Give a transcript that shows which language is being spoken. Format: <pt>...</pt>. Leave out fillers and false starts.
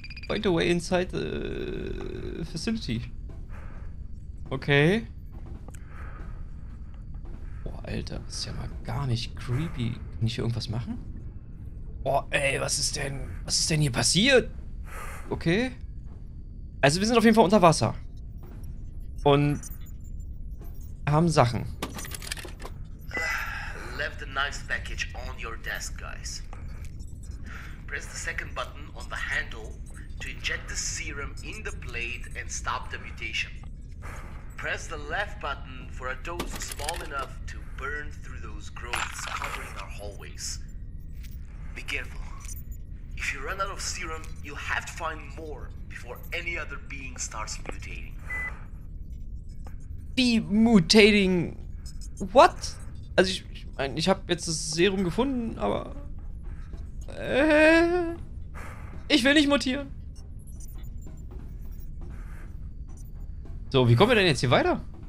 <en>Find a way inside the facility. Okay.</en> <de>Boah, Alter, ist ja mal gar nicht creepy. Kann ich hier irgendwas machen? Boah, ey, was ist denn? Was ist denn hier passiert? Okay. Also, wir sind auf jeden Fall unter Wasser. Und haben Sachen.</de> <en>Left the knife package on your desk, guys. Press the second button on the handle to inject the serum in the blade and stop the mutation. Press the left button for a dose small enough to burn through those growths covering our hallways. Be careful. If you run out of serum, you'll have to find more before any other being starts mutating. Wie mutating? What?</en> <de>Also ich meine, ich habe jetzt das Serum gefunden, aber ich will nicht mutieren. So, wie kommen wir denn jetzt hier weiter?</de>